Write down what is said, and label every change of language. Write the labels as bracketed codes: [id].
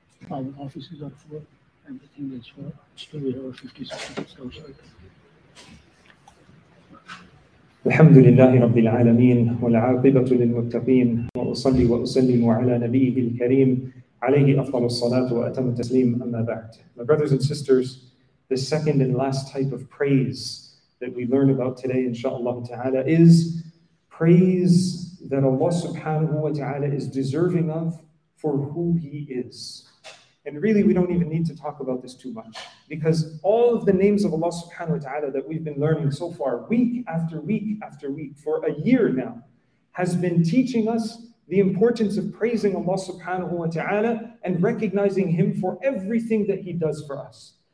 [en] All the offices are full, everything is full. Still, we have 50 seconds outside. [ar] الحمد لله رب العالمين والعاقبة للمتقين وأصلي وأسلم على نبيه الكريم عليه أفضل الصلاة وأتم التسليم أما بعد. [en] My brothers and sisters, the second and last type of praise that we learn about today, inshallah ta'ala, is praise that Allah subhanahu wa ta'ala is deserving of for who He is. And really, we don't even need to talk about this too much, because all of the names of Allah subhanahu wa ta'ala that we've been learning so far, week after week after week, for a year now, has been teaching us the importance of praising Allah subhanahu wa ta'ala and recognizing Him for everything that He does for us.